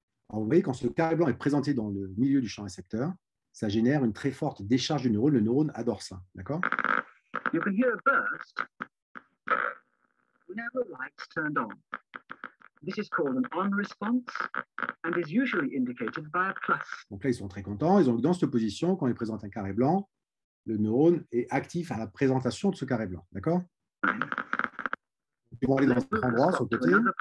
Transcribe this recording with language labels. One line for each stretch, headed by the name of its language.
French: Alors, vous voyez, quand ce carré blanc est présenté dans le milieu du champ récepteur, ça génère une très forte décharge du neurone. Le neurone adore ça. D'accord ?
English: You can hear a burst. Now the light's turned on. This is called an on response and is usually indicated by a plus.
French: Donc là, ils sont très contents. Ils ont dans cette position, quand ils présentent un carré blanc, le neurone est actif à la présentation de ce carré blanc. D'accord ? Ils vont aller dans un endroit, sur le côté.